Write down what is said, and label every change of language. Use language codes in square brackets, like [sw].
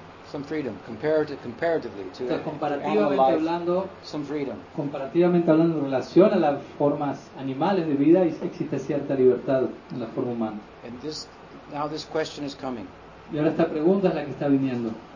[en] Some freedom comparatively to [es] the comparativamente hablando [en] some freedom. [es] Comparativamente hablando en relación a las formas animales de vida existe cierta libertad en la forma humana. [en] And now this question is coming. [es] Y ahora esta pregunta es la que está viniendo.